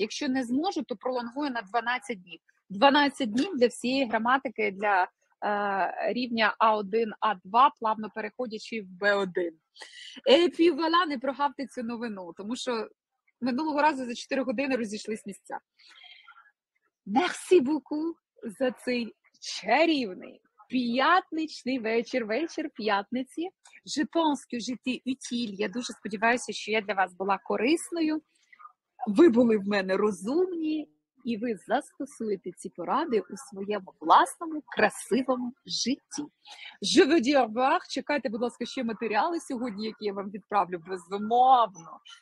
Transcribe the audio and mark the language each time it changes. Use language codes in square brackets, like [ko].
[uk] Якщо не зможу, то пролонгую на 12 днів. 12 днів для всієї граматики, для рівня А1, А2, плавно переходячи в Б1. Епівела, не прогавте цю новину, тому що минулого разу за 4 години розійшлись місця. [fr] Merci beaucoup [uk] за цей чарівний п'ятничний вечір, вечір п'ятниці. [fr] Je pense que j'étais utile. [uk] Я дуже сподіваюся, що я для вас була корисною. Ви були в мене розумні, і ви застосуєте ці поради у своєму власному красивому житті. [fr] Je vous dis au revoir. [uk] Чекайте, будь ласка, ще матеріали сьогодні, які я вам відправлю безумовно.